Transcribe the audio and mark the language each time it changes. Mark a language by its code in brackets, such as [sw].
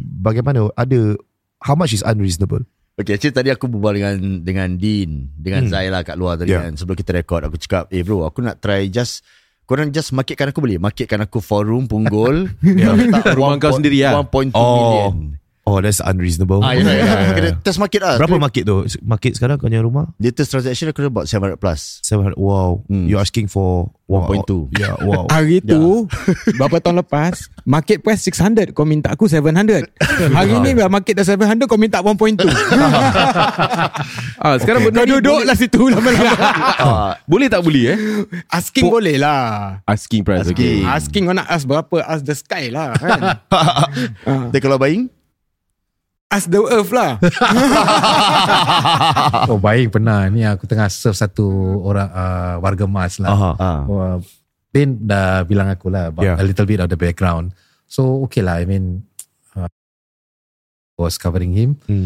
[ms] Bagaimana ada, [en] how much is unreasonable? Okay, actually [ms] tadi aku berbual dengan Dean, dengan Zaila kat luar tadi kan. Sebelum kita record, aku cakap, eh bro, aku nak try just, korang just marketkan aku boleh? Marketkan aku forum Punggol. Rumah kau sendiri lah. [en] 1.2 million. Oh, that's unreasonable. [ms] Test market lah. Berapa market tu? Market sekarang kau punya rumah? [en] Latest transaction aku about 700 plus. 700, wow. You're asking for 1.2. Yeah, wow. [ms] Hari tu, berapa tahun lepas, market price 600, kau minta aku 700. Hari ni market dah 700, kau minta 1.2. Sekarang kau duduk lah situ lama-lama. Boleh tak boleh? Asking boleh lah. [en] Asking price. [ms] Asking kau nak ask berapa, [en] ask the sky [ms] lah kan. Dia kalau buying? [en] Ask the earth lah. [ms] Oh, baik, pernah ni aku tengah serve satu orang warga emas lah. Ben dah bilang aku lah [en] about a little bit of the background. So okay lah, I mean was covering him.